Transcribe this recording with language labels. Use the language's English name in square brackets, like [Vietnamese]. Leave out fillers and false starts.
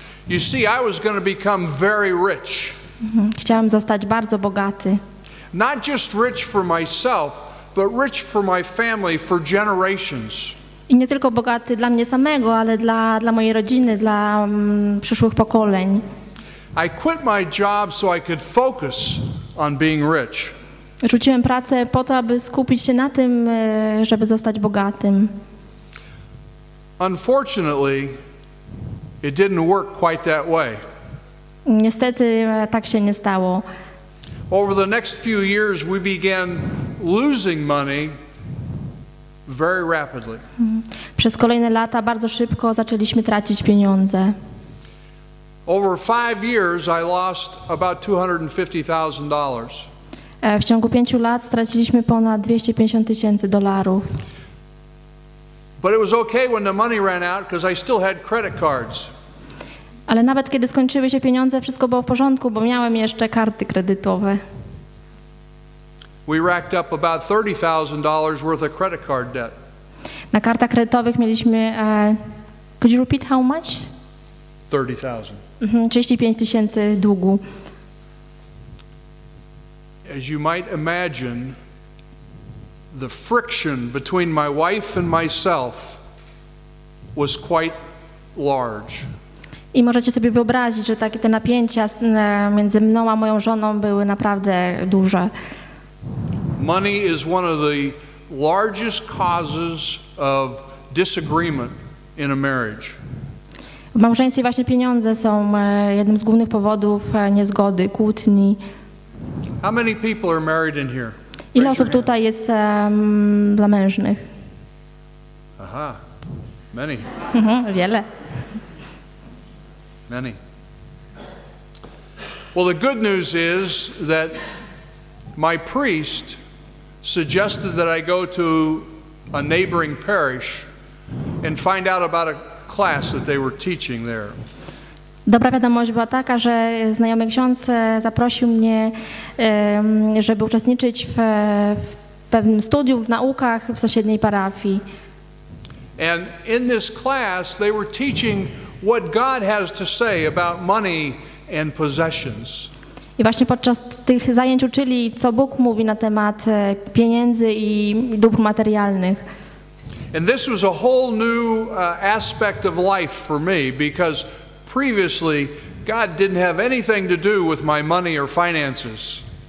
[English] You see, I was going to become very rich. [Polish] Chciałem zostać bardzo bogaty. [English] Not just rich for myself, but rich for my family for generations. [Polish] I nie tylko bogaty dla mnie samego, ale dla mojej rodziny, dla przyszłych pokoleń. [English] I quit my job so I could focus on being rich. [Polish] Rzuciłem pracę po to, aby skupić się na tym, żeby zostać bogatym. [English] Unfortunately, it didn't work quite that way. [Polish] Niestety, tak się nie stało. [English] Over the next few years, we began losing money very rapidly. [Polish] Przez kolejne lata bardzo szybko zaczęliśmy tracić pieniądze. [English] Over 5 years, I lost about $250,000. [Polish] W ciągu 5 lat straciliśmy ponad 250 tysięcy dolarów. [English] But it was okay when the money ran out because I still had credit cards. [Polish] Ale nawet kiedy skończyły się pieniądze, wszystko było w porządku, bo miałem jeszcze karty kredytowe. [English] We racked up about $30,000 worth of credit card debt. [Polish] Na kartach kredytowych mieliśmy [English] could you repeat how much? 30,000. [Polish] 35 tysięcy długu. [English] As you might imagine, the friction between my wife and myself was quite large. [Polish] I możecie sobie wyobrazić, że takie te napięcia między mną a moją żoną były naprawdę duże. [English] Money is one of the largest causes of disagreement in a marriage. [Polish] W małżeństwie właśnie pieniądze są jednym z głównych powodów niezgody, kłótni. [English] How many people are married in here? [Polish] Ile osób tutaj jest zamężnych? [English] Aha, many. [Polish] Wiele. [English] Many. Well, the good news is that my priest suggested that I go to a neighboring parish and find out about a class that they were teaching there. [Polish] Dobra wiadomość była taka, że znajomy ksiądz zaprosił mnie, żeby uczestniczyć w pewnym studium, w naukach w sąsiedniej parafii. [English] And in this class they were teaching what God has to say about money and possessions. [Polish] I właśnie podczas tych zajęć uczyli, co Bóg mówi na temat pieniędzy i dóbr materialnych. [English] And this was a whole new aspect of life for me because previously God didn't have anything to do with my money or finances.